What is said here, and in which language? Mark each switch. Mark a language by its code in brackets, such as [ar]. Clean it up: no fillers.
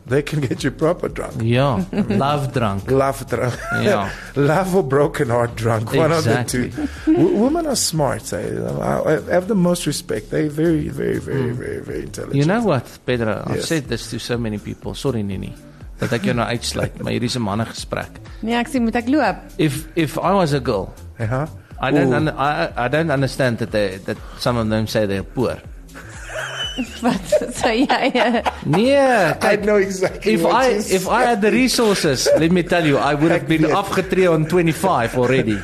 [en] They can get you proper drunk. Yeah. Love drunk. Love drunk. Yeah. Love or broken heart drunk. Exactly. One of the two. Women are smart. I have the most respect. They're very, very, very, very, very intelligent. You know what, Pedro? Yes. I've said this to so many people. Sorry, Nini. [af] Dat ek jou nou uitsluit, maar hier is 'n manne gesprek. Nee, ek sê moet ek loop. [en] If I was a girl, I don't understand that some of them say they're poor. But, so yeah. I know exactly. If I had the resources, let me tell you, I would have been afgetree on 25 already.